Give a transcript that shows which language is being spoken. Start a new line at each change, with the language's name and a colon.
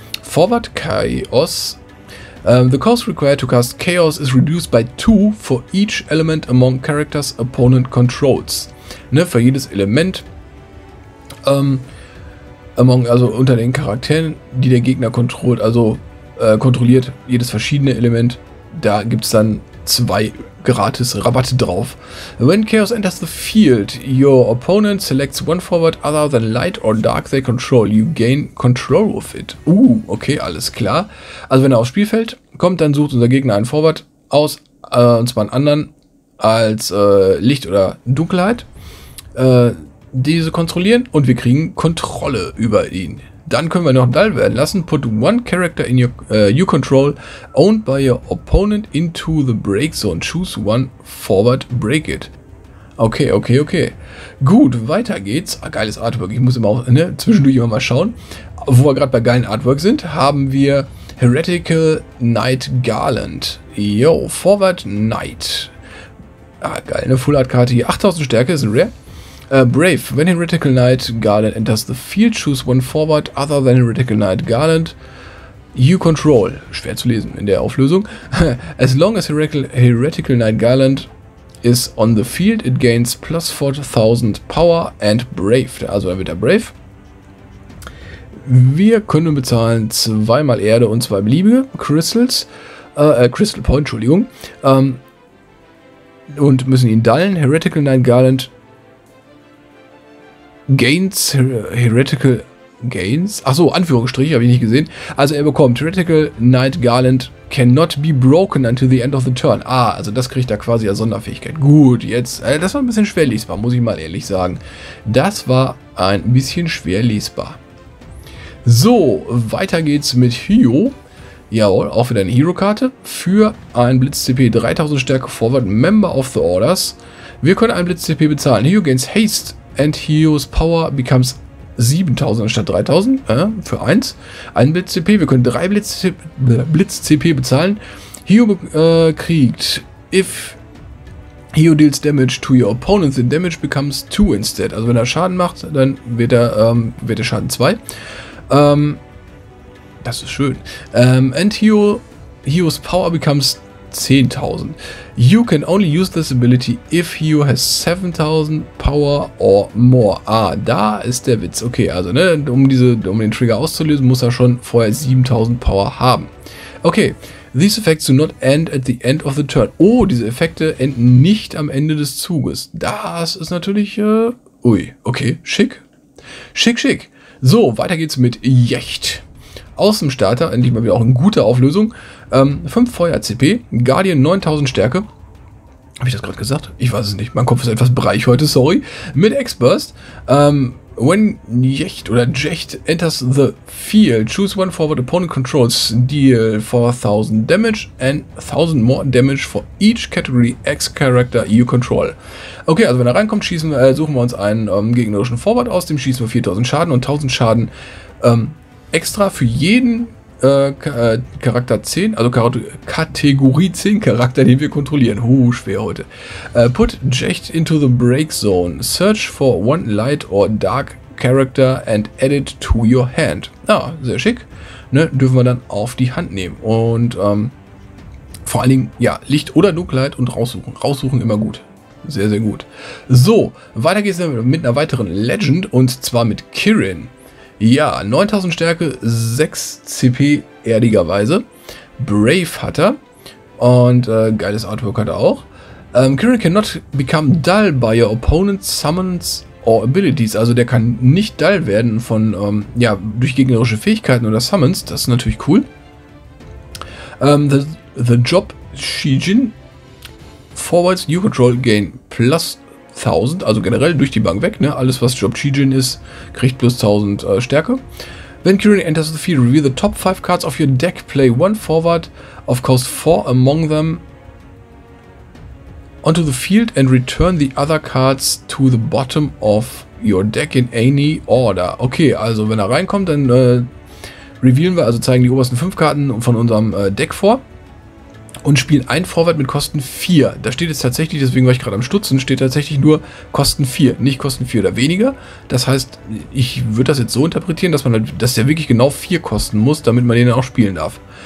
English: Forward Chaos. The cost required to cast Chaos is reduced by 2 for each element among characters opponent controls.
German: Ne, für jedes Element unter den Charakteren, die der Gegner kontrolliert, kontrolliert jedes verschiedene Element, da gibt es dann 2 gratis Rabatte drauf.
English: When Chaos enters the field, your opponent selects one forward other than light or dark they control. You gain control of it. Okay,
German: alles klar. Also wenn er aufs Spielfeld kommt, dann sucht unser Gegner einen Forward aus, und zwar einen anderen als Licht oder Dunkelheit, diese kontrollieren und wir kriegen Kontrolle über ihn. Dann können wir noch dull werden lassen.
English: Put one character in your you control owned by your opponent into the break zone. Choose one forward, break it. Okay, okay, okay.
German: Gut, weiter geht's. Ah, geiles Artwork. Ich muss immer auch, ne, zwischendurch immer mal schauen. Wo wir gerade bei geilen Artwork sind, haben wir Heretical Knight Garland.
English: Yo, forward Knight.
German: Ah, geil, eine Full Art Karte hier. 8000 Stärke, ist ein Rare.
English: Brave, when Heretical Knight Garland enters the field, choose one forward other than Heretical Knight Garland you control.
German: Schwer zu lesen in der Auflösung.
English: As long as Heretical Knight Garland is on the field, it gains plus 4000 power and Brave.
German: Also er wird der Brave. Wir können bezahlen 2x Erde und 2 beliebige Crystals. Crystal Point, Entschuldigung. Und müssen ihn dullen. Heretical Knight Garland Gains, Heretical Gains? Achso, Anführungsstriche, habe ich nicht gesehen. Also er bekommt
English: Heretical Knight Garland cannot be broken until the end of the turn.
German: Ah, also das kriegt er quasi als Sonderfähigkeit. Gut, jetzt, das war ein bisschen schwer lesbar, muss ich mal ehrlich sagen. Das war ein bisschen schwer lesbar. So, weiter geht's mit Hyo. Jawohl, auch wieder eine Hero-Karte. Für ein Blitz-CP 3000 Stärke Forward, Member of the Orders. Wir können ein Blitz-CP bezahlen.
English: Hyo gains Haste. And Hero's Power becomes 7000
German: anstatt 3000 für 1. Ein Blitz-CP, wir können 3 Blitz-CP bezahlen.
English: Hero
German: kriegt,
English: if Hero deals damage to your opponent, the damage becomes 2 instead.
German: Also wenn er Schaden macht, dann wird der Schaden 2. Das ist schön.
English: And Hero's Power becomes 10.000. You can only use this ability if you has 7.000 power or more.
German: Ah, da ist der Witz. Okay, also ne, um den Trigger auszulösen, muss er schon vorher 7.000 power haben.
English: Okay, these effects do not end at the end of the turn.
German: Oh, diese Effekte enden nicht am Ende des Zuges. Das ist natürlich, ui, okay, schick. Schick, schick. So, weiter geht's mit Jecht. Aus dem Starter, endlich mal wieder auch eine gute Auflösung. 5 Feuer-CP, Guardian 9000 Stärke. Habe ich das gerade gesagt? Ich weiß es nicht. Mein Kopf ist etwas breich heute, sorry. Mit X-Burst.
English: When Jecht oder Jecht enters the field, choose one forward opponent controls, deal 4000 damage and 1000 more damage for each category X character you control.
German: Okay, also wenn er reinkommt, schießen, suchen wir uns einen gegnerischen Forward aus, dem schießen wir 4000 Schaden und 1000 Schaden extra für jeden Charakter 10, also Kategorie 10 Charakter, den wir kontrollieren. Schwer heute.
English: Put Jecht into the break zone. Search for one light or dark character and add it to your hand.
German: Ah, sehr schick. Ne, dürfen wir dann auf die Hand nehmen. Und vor allen Dingen, ja, Licht oder Dunkelheit und raussuchen. Raussuchen immer gut. Sehr, sehr gut. So, weiter geht's mit einer weiteren Legend und zwar mit Kirin. Ja, 9000 Stärke, 6 CP erdigerweise. Brave hat er. Und geiles Artwork hat er auch.
English: Kirin cannot become dull by your opponent's summons or abilities.
German: Also der kann nicht dull werden von, ja, durch gegnerische Fähigkeiten oder Summons. Das ist natürlich cool. The Job Shijin.
English: Forwards, you control gain plus 1000,
German: also generell durch die Bank weg, ne? Alles was Job Chijin ist, kriegt plus 1000 Stärke.
English: When Kirin enters the field, reveal the top 5 cards of your deck, play one forward, of cost 4 among them onto the field and return the other cards to the bottom of your deck in any order.
German: Okay, also wenn er reinkommt, dann revealen wir, also zeigen die obersten 5 Karten von unserem Deck vor. Und spielen ein Forward mit Kosten 4. Da steht jetzt tatsächlich, deswegen war ich gerade am Stutzen, steht tatsächlich nur Kosten 4, nicht Kosten 4 oder weniger. Das heißt, ich würde das jetzt so interpretieren, dass man halt, dass der wirklich genau 4 kosten muss, damit man den auch spielen darf.